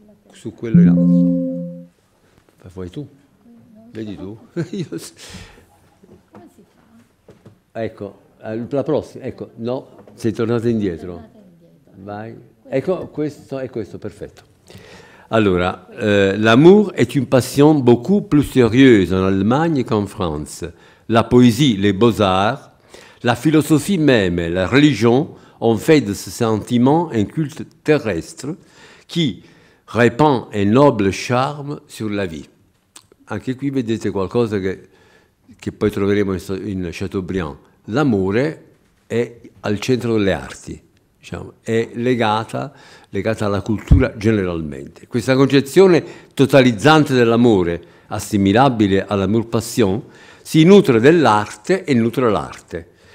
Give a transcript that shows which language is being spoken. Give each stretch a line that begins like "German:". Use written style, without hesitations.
Italian: Su quello in alto. Ma vuoi tu? Vedi tu? Ecco, la prossima, ecco, no, sei tornata indietro. Vai. Ecco, questo è questo, perfetto.
French: Allora, l'amour est une passion beaucoup plus sérieuse en Allemagne qu'en France. La poésie, les beaux-arts, la philosophie même, la religion ont fait de ce sentiment un culte terrestre qui répand un noble charme sur la vie.
Italian: Anche qui vedete qualcosa che poi troveremo in Chateaubriand. L'amore è al centro delle arti. È legata alla cultura generalmente. Questa concezione totalizzante dell'amore, assimilabile all'amour passion, si nutre dell'arte e nutre l'arte.